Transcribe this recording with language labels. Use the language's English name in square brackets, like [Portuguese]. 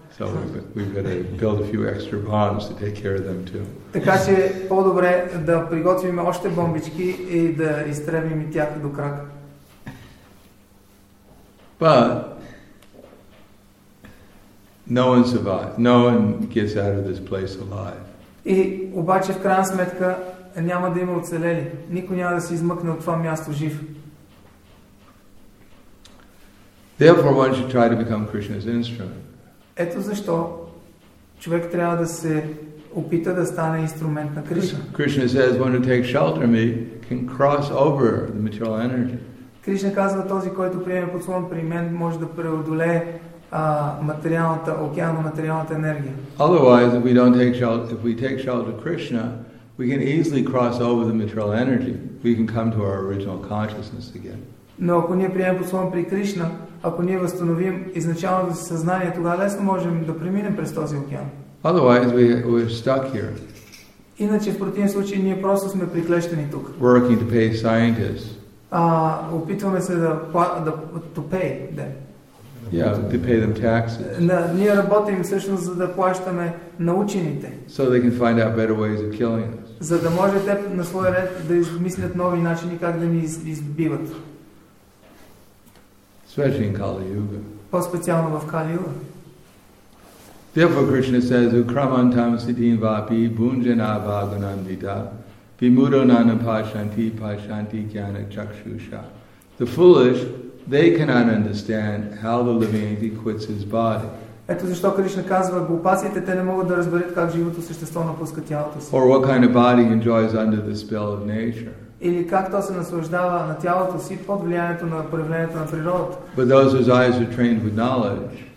[English] So we've got to build a few extra bombs to take care of them too. [Bulgarian] Така че по-добре да приготвим още бомбички и да изтребим и тях до крак. [English] But no one survives. No one gets out of this place alive. [Bulgarian] И обаче в крайна сметка няма да има оцелели. Никой няма да се измъкне от това място жив. [English] Therefore one should try to become Krishna's instrument. [Bulgarian] Ето защо човек трябва да се опита да стане инструмент на Кришна. [English] Krishna says, one who takes shelter in me can cross over the material energy. [Bulgarian] Кришна казва, този, който приеме подслон при мен, може да преодолее материалната океана, материалната енергия. [English] Otherwise, if we don't take shelter, if we take shelter Krishna, we can easily cross over the material energy. We can come to our original consciousness again. [Bulgarian] Но ако ние приемем подслон при Кришна, ако ние възстановим изначалното си съзнание, тогава лесно можем да преминем през този океан. [English] Otherwise we're stuck here. [Bulgarian] Иначе в противен случай ние просто сме приклещени тук. [English] Working to pay scientists. [Bulgarian] Опитваме се да [English] to pay them. Yeah, to pay them taxes. [Bulgarian] Ние работим всъщност за да плащаме на учените. [English] So they can find out better ways of killing us. [Bulgarian] За да може те на своя ред да измислят нови начини как да ни избиват. [English] Especially in Kali Yuga. [Bulgarian] По-специално в Kali Yuga. [English] Therefore Krishna says, [Sanskrit] Ukramantam siddhin vapi bhunjana bhagunandita vimudonana pashanti pashanti jnana chakshusha. [English] The foolish they cannot understand how the living entity quits his body. [Bulgarian] Ето защо Кришна казва, глупаците те не могат да разберат как живото същество напуска тялото си. [English] Or what kind of body enjoys under the spell of nature. [Bulgarian] Или как то се наслаждава на тялото си под влиянието на проявлението на природата. [English] But those whose eyes are trained with knowledge.